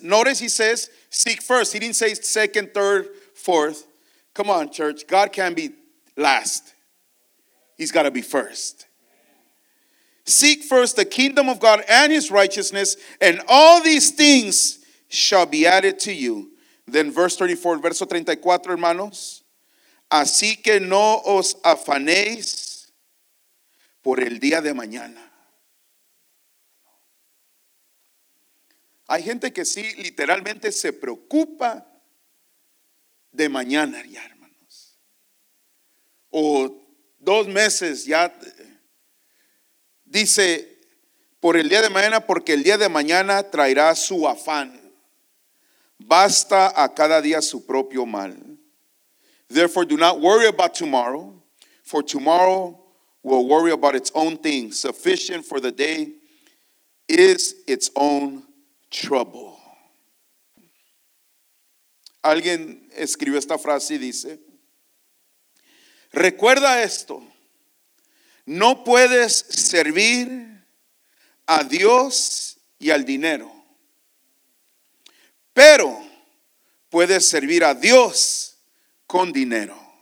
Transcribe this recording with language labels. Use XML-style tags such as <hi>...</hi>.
<en>Notice he says, seek first. He didn't say second, third, fourth. Come on, church. God can't be last. He's got to be first. Seek first the kingdom of God and his righteousness, and all these things shall be added to you. Then verse 34,</en> <es>verso 34, hermanos. Así que no os afanéis por el día de mañana. Hay gente que sí, literalmente se preocupa de mañana ya, hermanos. O dos meses ya. Dice, por el día de mañana, porque el día de mañana traerá su afán. Basta a cada día su propio mal.</es> <en>Therefore, do not worry about tomorrow, for tomorrow will worry about its own thing. Sufficient for the day is its own trouble.</en> <es>Alguien escribió esta frase y dice, recuerda esto. No puedes servir a Dios y al dinero, pero puedes servir a Dios con dinero.</es>